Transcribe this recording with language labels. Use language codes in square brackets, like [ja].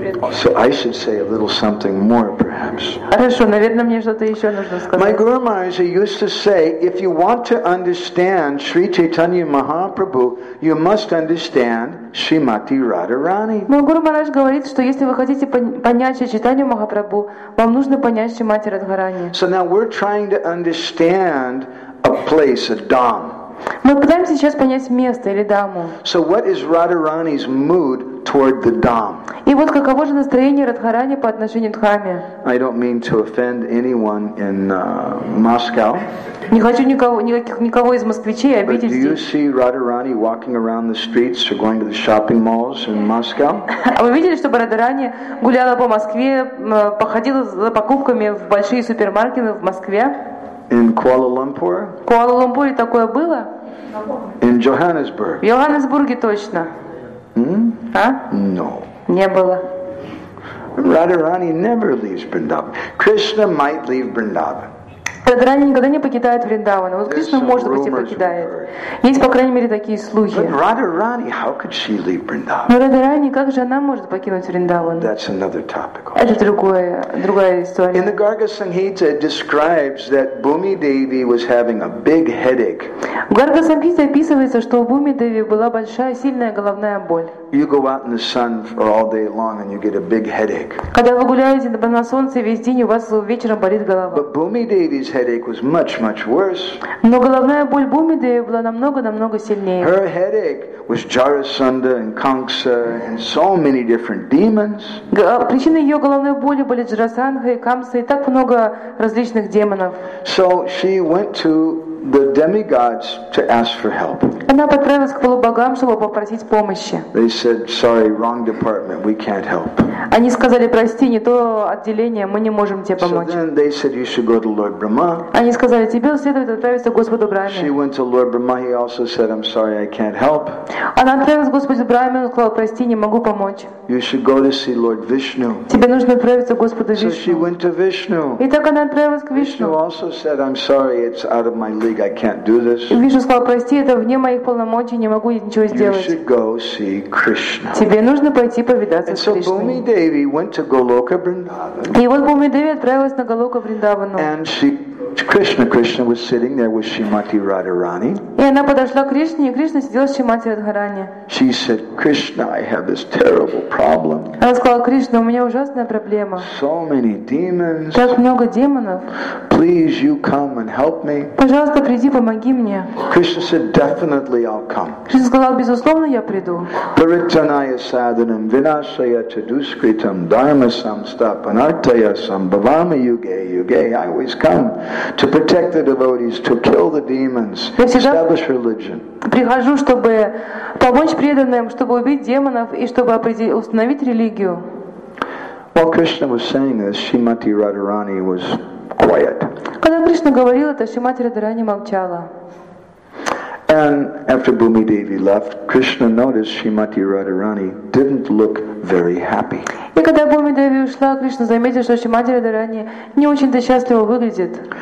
[en] So I should say a little something more, perhaps. [ru] Хорошо, наверное, мне что-то еще нужно сказать. [en] My Guru Maharaj used to say, if you want to understand Sri Chaitanya Mahaprabhu, you must understand Shrimati Radharani. [ru] Мой Гуру Махарадж говорит, что если вы хотите понять Чайтанью Махапрабху, вам нужно понять Шримати Радхарани. [en] So now we're trying to understand a place, a dham. [ru] Мы пытаемся сейчас понять место или даму. [en] So what is Radharani's mood toward the dham? [ru] И вот каково же настроение Радхарани по отношению к дхаме? [en] I don't mean to offend anyone in Moscow. [ru] Не хочу никого из москвичей обидеть здесь. [en] But do you see Radharani walking around the streets or going to the shopping malls in Moscow? [ru] А вы видели, чтобы Радхарани гуляла по Москве, походила за покупками в большие супермаркеты в Москве? [en] In Kuala Lumpur? [ru] Kuala Lumpur такое было? [en] In Johannesburg? [ru] В Йоханнесбурге точно. А? [en] No. [ru] Не было. [en] Radharani never leaves Vrindavan. Krishna might leave Vrindavan. [ru] Радхарани никогда не покидает Вриндаван. Вот Кришна, может быть, и покидает. Есть, по крайней мере, такие слухи. [en] But Radharani, how could she leave Vrindavan? [ru] Но Радхарани, как же она может покинуть Вриндаван? [en] That's another topic. [ru] Это другая история. [en] In the Garga Sanghita, it describes that Bhumi Devi was having a big headache. [ru] В Гарга Сангхите описывается, что у Бхуми Деви была большая, сильная головная боль. [en] You go out in the sun for all day long and you get a big headache. [ru] Когда вы гуляете на солнце весь день, у вас вечером болит голова. [en] But Bhumi Devi's headache was much, much worse. [ru] Но головная боль Бумидеви была намного сильнее. [en] Her headache was Jarasandha and Kamsa and so many different demons. [ru] Причиной ее головной боли были Джарасандха и Камса и так много различных демонов. [en] So she went to the demigods to ask for help. [ru] Она отправилась к полубогам, чтобы попросить помощи. [en] They said, "Sorry, wrong department. We can't help." [ru] Они сказали: "Прости, не то отделение. Мы не можем тебе помочь." [en] So then they said, "You should go to Lord Brahma." [ru] Они сказали: "Тебе следует отправиться к Господу Брахме." [en] She went to Lord Brahma. He also said, "I'm sorry, I can't help." [ru] Она отправилась к Господу Брахме, он сказал: "Прости, не могу помочь." [en] You should go to see Lord Vishnu. [ru] Тебе нужно отправиться к Господу Вишну. [en] So she went to Vishnu. [ru] И так она отправилась к Вишну. [en] Vishnu also said, "I'm sorry, it's out of my league. I can't do this." [ru] Вишну сказал: "Прости, это вне моих полномочий, не могу ничего сделать." [en] You should go see Krishna. [ru] Тебе нужно пойти повидаться с Кришной. [en] And so Bhumi Devi went to Goloka Vrindavan. [ru] И вот Bhumi Devi отправилась на Голока Вриндавану. [en] And she Krishna, Krishna was sitting there with Srimati Radharani. [ru] И она подошла к Кришне, и Кришна сидел с Шримати Радхарани. [en] She said, "Krishna, I have this terrible problem." [ru] Она сказала: "Кришна, у меня ужасная проблема." [en] So many demons. [ru] Так много демонов. [en] Please, you come and help me. [ru] Пожалуйста, приди, помоги мне. [en] Krishna said, "Definitely, I'll come." [ru] Кришна сказал: "Безусловно, я приду." [sa] Paritanaya sadhanam vinashaya chaduskritam dharma samstapanartaya sambhavami yuge yuge. [en] I always come to protect the devotees, to kill the demons, establish religion. [ru] Прихожу, чтобы помочь преданным, чтобы убить демонов и чтобы установить религию. [en] While Krishna was saying this, Srimati Radharani was quiet. [ru] Когда Кришна говорил это, Шримати Радхарани молчала. [en] And after Bhumi Devi left, Krishna noticed Srimati Radharani didn't look very happy. [ru] И когда Бхуми Деви ушла, Кришна заметил, что Шримати Радхарани не очень-то счастливо выглядит.